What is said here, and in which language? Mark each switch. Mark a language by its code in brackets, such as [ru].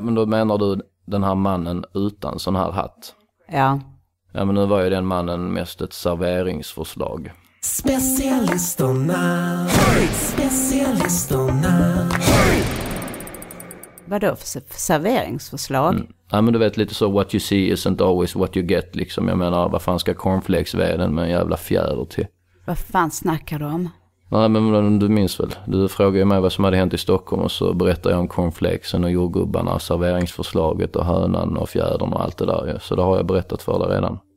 [sv] Ja, men då menar du den här mannen utan sån här hatt? Ja. Ja, men nu var ju den mannen mest ett serveringsförslag. Specialisterna. Specialisterna. Vadå för serveringsförslag? Mm. Ja, men du vet lite så, [en] what you see isn't always what you get. [sv] Liksom. Jag menar, vad fan ska cornflakesveden med en jävla fjäder till? Vad fan snackar de om? Nej, men du minns väl. Du frågade ju mig vad som hade hänt i Stockholm och så berättade jag om cornflakesen och jordgubbarna och serveringsförslaget och hönan och fjädern och allt det där. Så det har jag berättat för dig redan.